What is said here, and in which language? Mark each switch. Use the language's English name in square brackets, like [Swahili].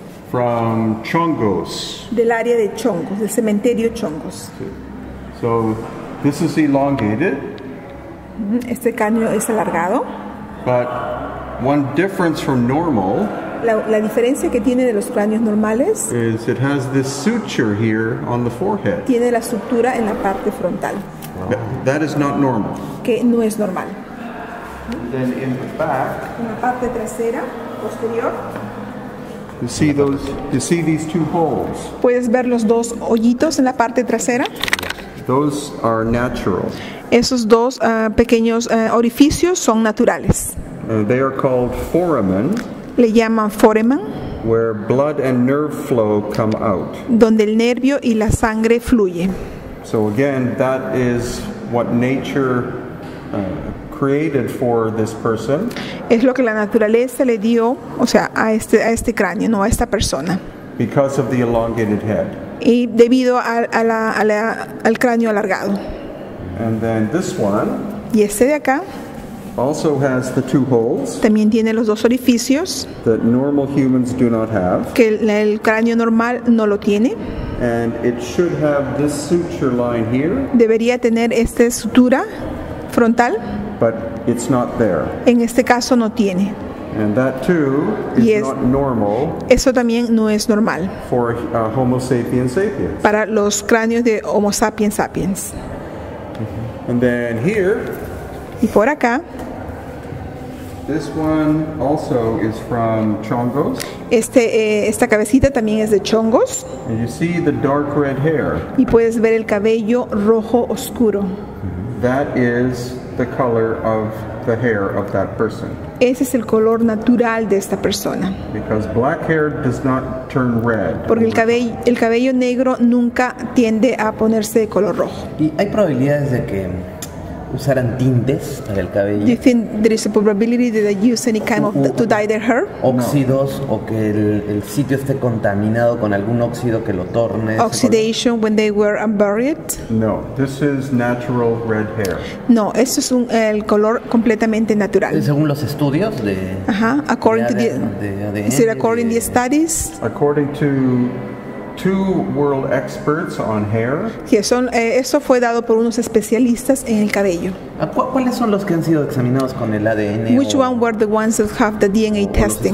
[English] From Chongos. [Spanish] Del área de Chongos, del cementerio Chongos. [English] So, this is elongated. [Spanish] Este cráneo es alargado. [English] But one difference from normal. [Spanish] La diferencia que tiene de los cráneos normales [English] is it has this suture here on the forehead. [Spanish] Tiene la sutura en la parte frontal. [English] Wow. That is not normal. [Spanish] Que no es normal. [English] Then in the back. [Spanish] En la parte trasera posterior. [English] You see these two holes. [Spanish] Puedes ver los dos hoyitos en la parte trasera. [English] Those are natural. [Spanish] Esos dos pequeños orificios son naturales. [English] They are called foramen. [Spanish] Le llaman foramen. [English] Where blood and nerve flow come out. [Spanish] Donde el nervio y la sangre fluye. [English] So again, that is what nature created for this person. [Spanish] Es lo que la naturaleza le dio, o sea, a este cráneo, no a esta persona. [English] Because of the elongated head. [Spanish] Y debido al cráneo alargado. [English] And then this one. [Spanish] Y este de acá. [English] Also has the two holes. [Spanish] También tiene los dos orificios. [English] That normal humans do not have. [Spanish] Que el cráneo normal no lo tiene. [English] And it should have this suture line here. [Spanish] Debería tener esta sutura frontal. [English] But it's not there. [Spanish] En este caso no tiene. [English] And that too is not normal. [Spanish] Eso también no es normal. [English] For Homo sapiens sapiens. [Spanish] Para los cráneos de Homo sapiens sapiens. [English] And then here. [Spanish] Y por acá. [English] This one also is from Chongos. [Spanish] Esta cabecita también es de Chongos. [English] And you see the dark red hair. [Spanish] Y puedes ver el cabello rojo oscuro. [English] That is the color of the hair of that person. [Spanish] Ese es el color natural de esta persona. [English] Because black hair does not turn red. [Spanish] Porque el cabello negro nunca tiende a ponerse de color rojo. ¿Y hay probabilidades de que usaran tintes para el cabello? [English] Do you think there is a probability that they use any kind of to dye their hair? [Spanish] Óxidos, no. O que el sitio esté contaminado con algún óxido que lo torne. [English] Oxidation when they were unburied? No, this is natural red hair. [Spanish] No, esto es el color completamente natural. Según los estudios de. [English] According to the ADN. Is it according to the studies? According to two world experts on hair. Yes, [Spanish] eso fue dado por unos especialistas en el cabello. ¿Cuáles son los que han sido examinados con el ADN? [English] Which one were the ones that have the DNA testing?